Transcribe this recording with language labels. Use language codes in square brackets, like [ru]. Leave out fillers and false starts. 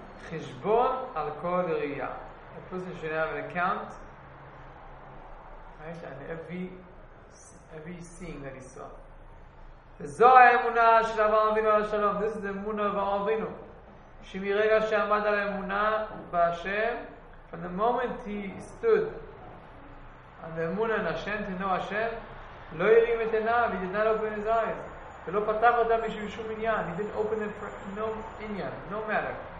[en] Yeah. [he] Chishbon al kol riyah. [en] A person should have an account, right, and every scene that he saw. [he] זו האמונה של אברהם אבינו על השלום. [en] This is the אמונה of אברהם אבינו. [he] שמרגע שעמד על האמונה בהשם, [en] from the moment he stood on the אמונה על השם, to know השם, [he] לא הרים את עיניו, [en] he did not open his eyes. [he] ולא פתח אותם בשביל שום עניין. [en] He didn't open them for no עניין, no matter.